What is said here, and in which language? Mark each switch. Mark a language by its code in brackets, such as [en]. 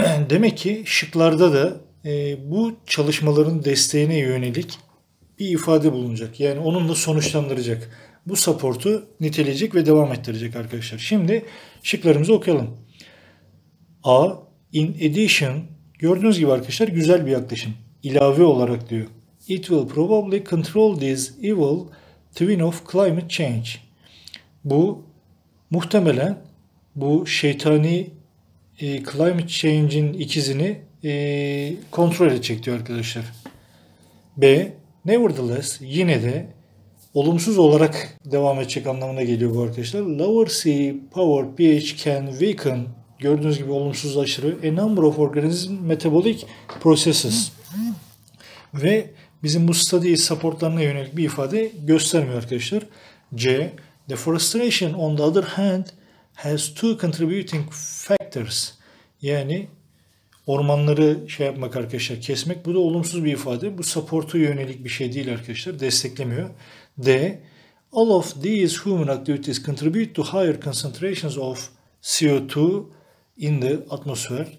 [tr] Demek ki şıklarda da bu çalışmaların desteğine yönelik bir ifade bulunacak. Yani onunla sonuçlandıracak. Bu support'u niteleyecek ve devam ettirecek arkadaşlar. Şimdi şıklarımızı okuyalım. A, [en] in addition, [tr] gördüğünüz gibi arkadaşlar güzel bir yaklaşım. İlave olarak diyor. [en] It will probably control this evil twin of climate change. [tr] Bu muhtemelen bu şeytani climate change'in ikizini kontrol edecek diyor arkadaşlar. B, nevertheless, yine de olumsuz olarak devam edecek anlamına geliyor bu arkadaşlar. [en] Lower sea power pH can weaken, [tr] gördüğünüz gibi olumsuzlaşırı, [en] a number of organism metabolic processes. [tr] Ve bizim bu study supportlarına yönelik bir ifade göstermiyor arkadaşlar. [en] C, deforestation on the other hand has two contributing factors. [tr] Yani ormanları şey yapmak arkadaşlar, kesmek, bu da olumsuz bir ifade. Bu support'u yönelik bir şey değil arkadaşlar, desteklemiyor. [en] D, all of these human activities contribute to higher concentrations of CO2 in the atmosphere.